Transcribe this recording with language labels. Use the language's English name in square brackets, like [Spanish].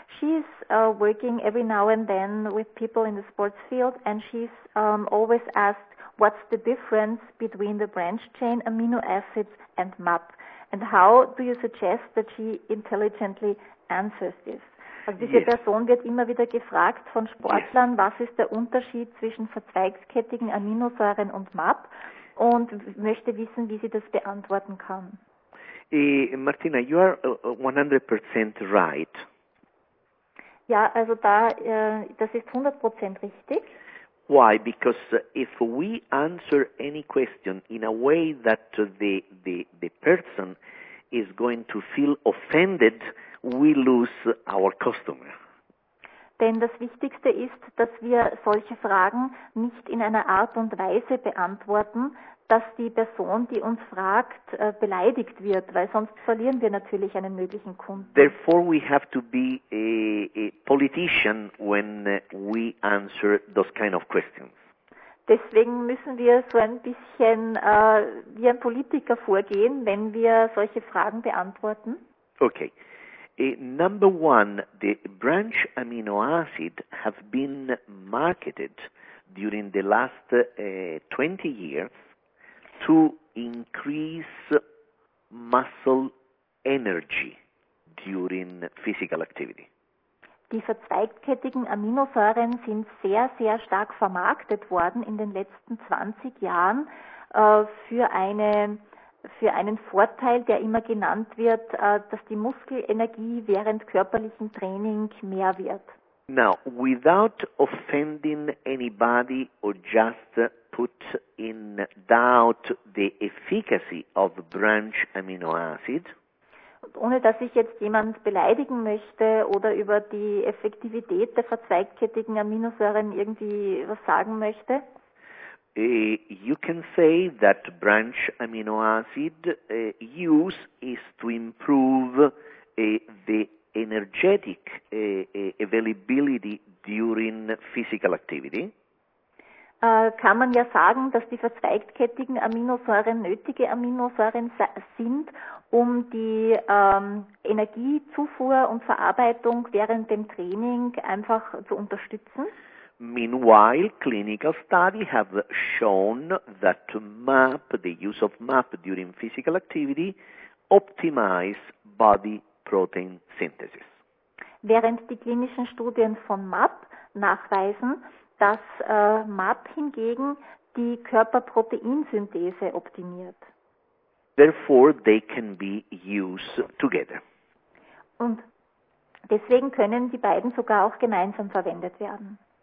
[English] She's working every now and then with people in the sports field, and she's always asked, what's the difference between the branched chain amino acids and MAP? And how do you suggest that she intelligently answers this? [German] Also diese Person wird immer wieder gefragt von Sportlern, was ist der Unterschied zwischen verzweigskettigen Aminosäuren und MAP und möchte wissen, wie sie das beantworten kann. [English] Martina, you are 100% right. [German] Ja, also da, das ist 100% richtig. [English] Why? Because if we answer any question in a way that the person is going to feel offended, we lose our customer. [German] Denn das Wichtigste ist, dass wir solche Fragen nicht in einer Art und Weise beantworten, dass die Person, die uns fragt, beleidigt wird, weil sonst verlieren wir natürlich einen möglichen Kunden. [English] Therefore we have to be a politician when we answer those kind of questions. [German] Deswegen müssen wir so ein bisschen wie ein Politiker vorgehen, wenn wir solche Fragen beantworten. [English] Okay. Number one, the branched amino acid have been marketed during the last 20 years to increase muscle energy during physical activity. [German] Die verzweigkettigen Aminosäuren sind sehr, sehr stark vermarktet worden in den letzten 20 Jahren für einen Vorteil, der immer genannt wird, dass die Muskelenergie während körperlichen Training mehr wird. [English] Now, without offending anybody or just put in doubt the efficacy of branched amino acid. [German] Und ohne dass ich jetzt jemand beleidigen möchte oder über die Effektivität der verzweigkettigen Aminosäuren irgendwie was sagen möchte. [English] You can say that branch amino acid use is to improve the energetic availability during physical activity. [German] Kann man ja sagen, dass die verzweigtkettigen Aminosäuren nötige Aminosäuren sind, um die Energiezufuhr und Verarbeitung während dem Training einfach zu unterstützen? [English] Meanwhile, clinical studies have shown that MAP, the use of MAP during physical activity, optimize body protein synthesis. [German] Während die klinischen Studien von MAP nachweisen, dass MAP hingegen die Körperproteinsynthese optimiert. [English] Therefore, they can be used together. [German] Und deswegen können die beiden sogar auch gemeinsam verwendet werden.